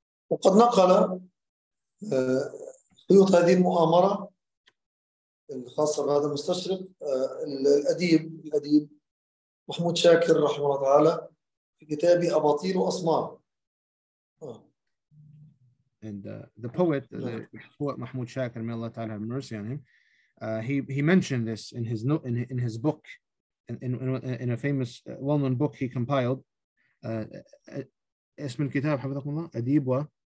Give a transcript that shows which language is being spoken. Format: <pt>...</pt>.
<ar>وقد نقل خيوط هذه المؤامرة الخاصة بهذا المستشرق الأديب محمود شاكر رحمه الله تعالى في كتابه أباطيل وأسمار.</ar> <en>And the poet, Mahmoud Shakir, may Allah Ta'ala have mercy on him, he mentioned this in his note, in his book, in a famous, well-known book he compiled.</en> <ar>اسم الكتاب حفظكم الله أديب و</ar>